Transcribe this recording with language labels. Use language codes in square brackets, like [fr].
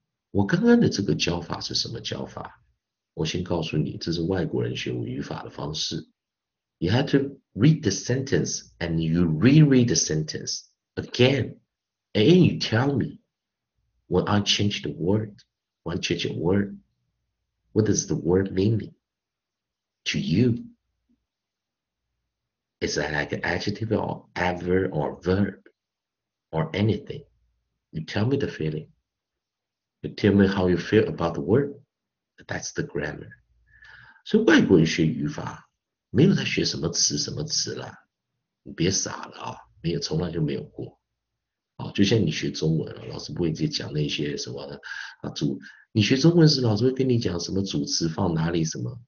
[zh] 我刚刚的这个教法是什么教法？我先告诉你，这是外国人学语法的方式。 [en] You have to read the sentence and you reread the sentence again, and you tell me when I change the word, when I change a word, what does the word mean? To you, is that like an adjective or adverb or verb or anything? You tell me the feeling. You tell me how you feel about the word. That's the grammar. [zh] 所以外国人学语法，没有在学什么词什么词了。你别傻了啊，没有，从来就没有过。啊，就像你学中文，老师不会直接讲那些什么的啊，主。你学中文时，老师会跟你讲什么主词放哪里？什么？